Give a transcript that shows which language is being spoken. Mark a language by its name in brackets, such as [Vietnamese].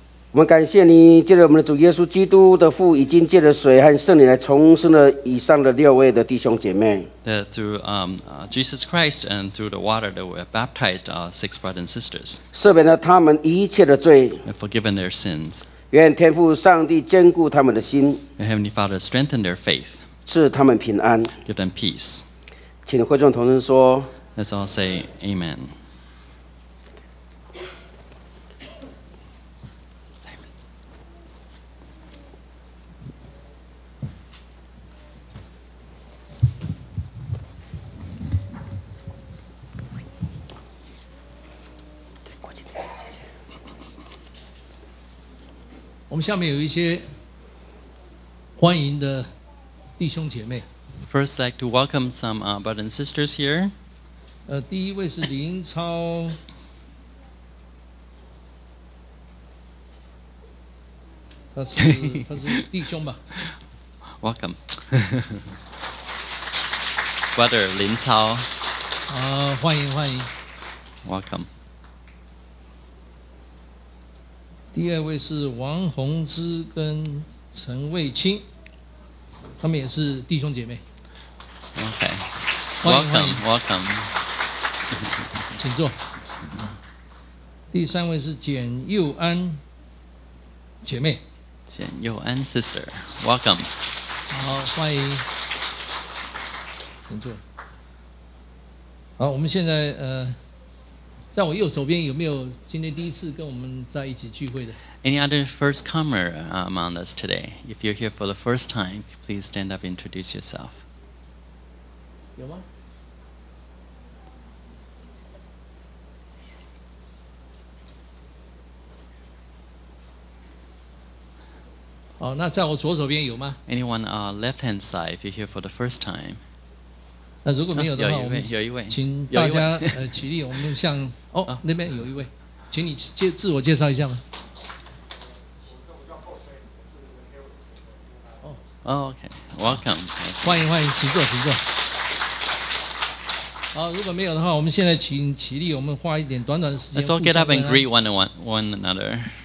[Chinese] 我们感谢你，借着我们的主耶稣基督的父，已经借着水和圣灵来重生了以上的六位的弟兄姐妹。 [English] That through Jesus Christ and through the water that we have baptized our six brothers and sisters. [Chinese] 赦免了他们一切的罪。 [English] And forgiven their sins. [Chinese] 愿天父上帝坚固他们的心。 [English] May Heavenly Father strengthen their faith. [Chinese] 赐他们平安。 [English] Give them peace. [Chinese] 请会众同声说 [English] Let's all say Amen. Amen. [Chinese] 我们下面有一些欢迎的弟兄姐妹。 [English] First, I'd like to welcome some brothers and sisters here. [Chinese] 第一位是林超。他是弟兄吧。 [English] Welcome. Brother 林超。 [Chinese] 欢迎。 [English] Welcome. [Chinese] 第二位是王宏之跟陈卫青。他们也是弟兄姐妹。 [English] Okay. Welcome. [Chinese] 请坐。第三位是简佑安姐妹。 [English] 简佑安 sister. Welcome. [Chinese] 好，欢迎。请坐。好，我们现在在我右手边有没有今天第一次跟我们在一起聚会的 [English] ？Any other first comer among us today? If you're here for the first time, please stand up and introduce yourself. [Chinese] 有吗？好，那在我左手边有吗 [English] ？Anyone on left hand side? If you're here for the first time. [Chinese] 那如果没有的话，有一位，有一位，请大家起立，我们向那边有一位，请你自我介绍一下吧。 [English] Okay, welcome. [Chinese] 欢迎，请坐。好，如果没有的话，我们现在请起立，我们花一点短短的时间。 [English] Let's all get up and greet one another.